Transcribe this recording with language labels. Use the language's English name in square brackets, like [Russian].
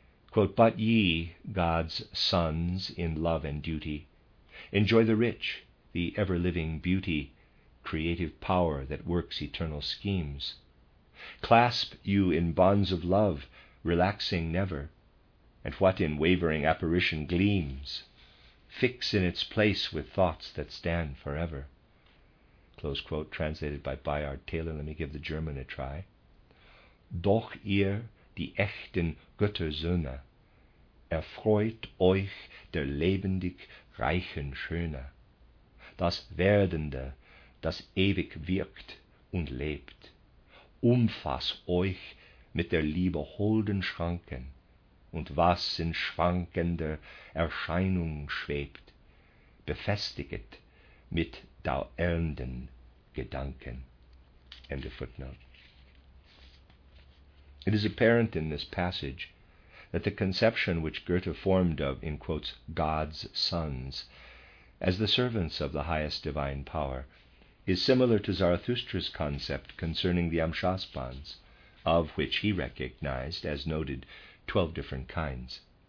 [English] Quote, "But ye, God's sons in love and duty, enjoy the rich, the ever-living beauty, creative power that works eternal schemes. Clasp you in bonds of love, relaxing never, and what in wavering apparition gleams, fix in its place with thoughts that stand forever." Close quote, translated by Bayard Taylor. Let me give the German a try. [German] Doch ihr die echten Göttersöhne, erfreut euch der lebendig reichen Schöne, das Werdende, das ewig wirkt und lebt, umfass euch mit der Liebe holden Schranken, und was in schwankender Erscheinung schwebt, befestiget mit dauernden Gedanken. [English] End of footnote. It is apparent in this passage that the conception which Goethe formed of, in quotes, God's sons, as the servants of the highest divine power, is similar to Zarathustra's concept concerning the Amshaspans, of which he recognized, as noted, 12 different kinds.